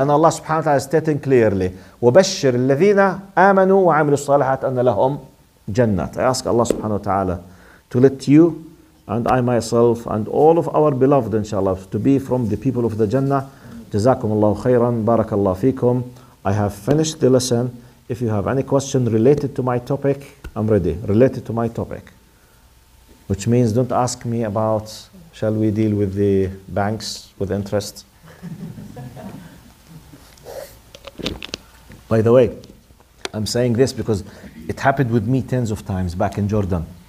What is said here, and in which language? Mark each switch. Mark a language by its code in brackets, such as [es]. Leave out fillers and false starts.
[en] And Allah subhanahu wa ta'ala is stating clearly, [ar] وبشر الذين آمنوا وعملوا الصالحات أن لهم جنات. [en] I ask Allah subhanahu wa ta'ala to let you and I myself and all of our beloved inshallah to be from the people of the Jannah. [ar] جزاكم الله خيرا بارك الله فيكم. [en] I have finished the lesson. If you have any question related to my topic, I'm ready. Related to my topic, which means don't ask me about shall we deal with the banks with interest. By the way, I'm saying this because it happened with me tens of times back in Jordan.